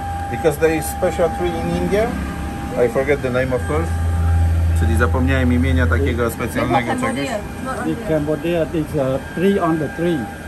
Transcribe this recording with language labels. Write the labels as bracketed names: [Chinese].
[English] Because there is special tree in India. I forget the name, of course. [Polish] Czyli zapomniałem imienia takiego specjalnego czegoś. [English] In Cambodia, it's a tree on the tree.